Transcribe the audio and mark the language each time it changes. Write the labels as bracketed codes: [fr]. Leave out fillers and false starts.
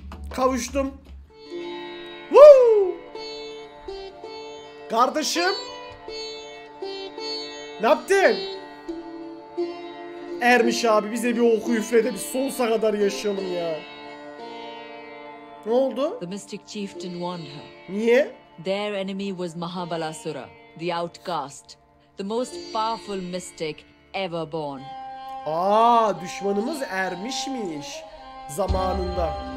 [tr] Kavuştum. Woo! Kardeşim. Ne yaptın? Ermiş abi bize bir oku üfle de biz sonsuza kadar yaşayalım ya. Ne oldu? [en] The mystic chieftain won her. [tr] Niye? [en] Their enemy was Mahabalasura, the outcast, the most powerful mystic ever born. [tr] Aa, düşmanımız ermişmiş zamanında.